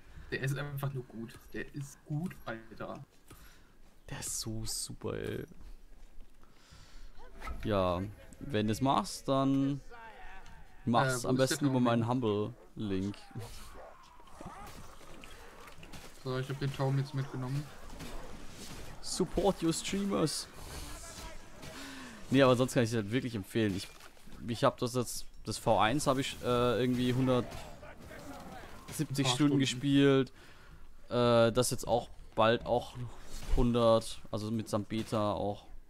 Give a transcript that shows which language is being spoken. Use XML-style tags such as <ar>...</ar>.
<de>der ist einfach nur gut. Der ist gut, Alter. Der ist so super, ey. Ja, wenn du es machst, dann mach's am besten über meinen Humble-Link. So, ich hab den Tom jetzt mitgenommen.</de> <en>Support your streamers!</en> <de>Nee, aber sonst kann ich es halt wirklich empfehlen. Ich habe das jetzt, das V1 habe ich irgendwie 170 Stunden gespielt. Das jetzt auch bald auch 100, also mit samt Beta auch.</de>